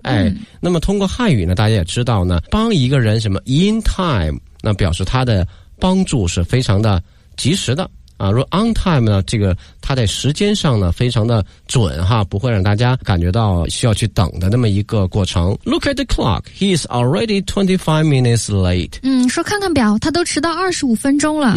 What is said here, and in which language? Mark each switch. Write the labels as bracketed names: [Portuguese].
[Chinese] 哎嗯、那么通过汉语呢大家也知道呢，帮一个人什么 [English] in time， [Chinese] 那表示他的帮助是非常的及时的。啊，如果 [English] on time [Chinese] 呢，这个它在时间上呢非常的准哈，不会让大家感觉到需要去等的那么一个过程。 [English] Look at the clock, he is already 25 minutes late. [Chinese] 嗯，说看看表，他都迟到25分钟了。